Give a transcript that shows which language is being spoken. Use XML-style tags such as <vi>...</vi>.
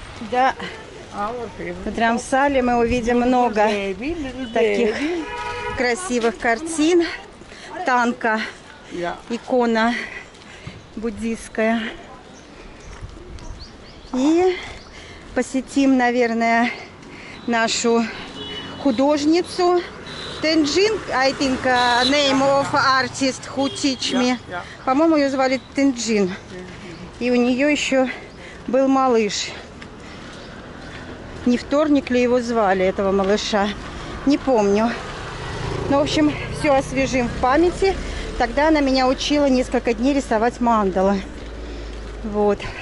<ru>Да. В Драмсале мы увидим много таких красивых картин. Танка, икона буддийская. И посетим, наверное, нашу художницу.</ru> <en>Тенджин, I think, name of artist who teach me.</en> <ru>По-моему, ее звали Тенджин. И у нее еще был малыш. Не вторник ли его звали, этого малыша? Не помню. Ну, в общем, все освежим в памяти. Тогда она меня учила несколько дней рисовать мандалы. Вот.</ru>